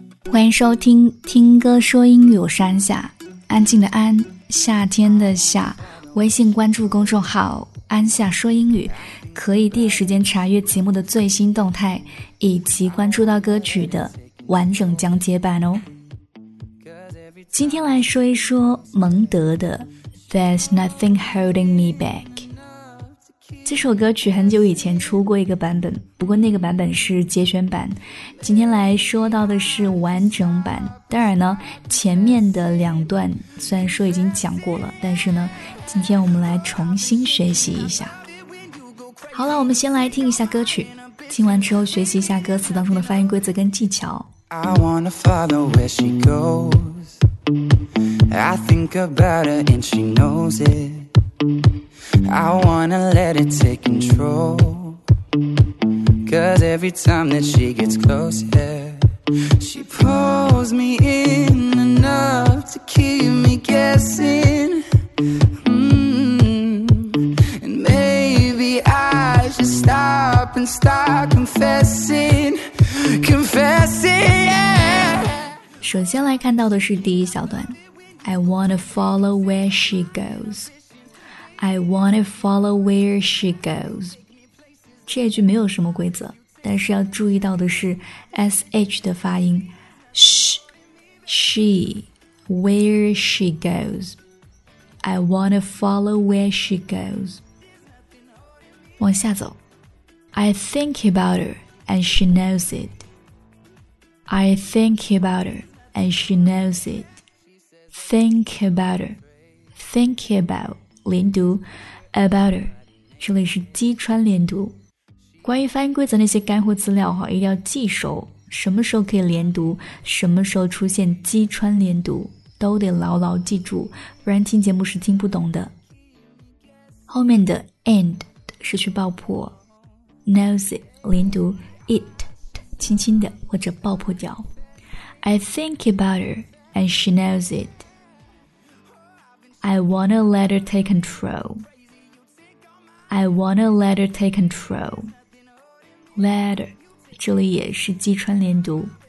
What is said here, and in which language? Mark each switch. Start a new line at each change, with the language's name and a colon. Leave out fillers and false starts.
Chinese: 欢迎收听听歌说英语，我是安夏，安静的安，夏天的夏。微信关注公众号安夏说英语，可以第一时间查阅节目的最新动态，以及关注到歌曲的完整讲解版哦。今天来说一说蒙德的 There's Nothing Holding Me Back。这首歌曲很久以前出过一个版本，不过那个版本是节选版，今天来说到的是完整版。当然呢，前面的两段虽然说已经讲过了，但是呢，今天我们来重新学习一下。好了，我们先来听一下歌曲，听完之后学习一下歌词当中的发音规则跟技巧。
English: I wanna follow where she goes. I think about her and she knows it. I wanna let it take control. Cause every time that she gets closer, she pulls me in enough to keep me guessing. And maybe I should stop and start confessing. Confessing.
Chinese: 首先来看到的是第一小段
English: I wanna follow where she goes. I wanna follow where she goes.
Chinese: 这一句没有什么规则，但是要注意到的是 SH 的发音 She
English: Where she goes. I wanna follow where she goes.
Chinese: 往下走
English: I think about her and she knows it. I think about herAnd she knows it. Think about her. Think about. 连读 about her.
Chinese: 这里是击穿连读。关于发音规则那些干货资料一定要记熟，什么时候可以连读，什么时候出现击穿连读，都得牢牢记住，不然听节目是听不懂的。后面的 and 是去爆破 knows it 连读 it 轻轻的或者爆破掉。
English: I think about her, and she knows it. I wanna let her take control. I wanna let her take control.
Chinese: Let her, 这里也是击穿连读。